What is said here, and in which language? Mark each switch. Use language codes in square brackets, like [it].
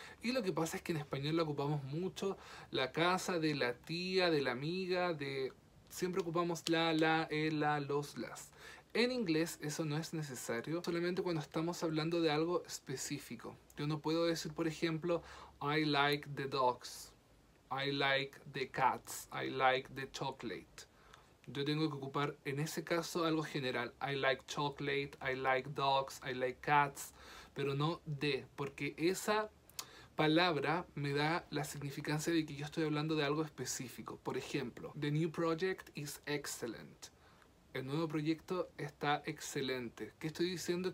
[es] Y lo que pasa es que en español la ocupamos mucho. La casa, de la tía, de la amiga, de... Siempre ocupamos la, el, la, los, las. En inglés eso no es necesario, solamente cuando estamos hablando de algo específico. Yo no puedo decir, por ejemplo, [en] I like the dogs. I like the cats, I like the chocolate. [es] Yo tengo que ocupar en ese caso algo general. [en] I like chocolate, I like dogs, I like cats. [es] Pero no de, porque esa palabra me da la significancia de que yo estoy hablando de algo específico. Por ejemplo, [en] the new project is excellent. [es] El nuevo proyecto está excelente. ¿Qué estoy diciendo?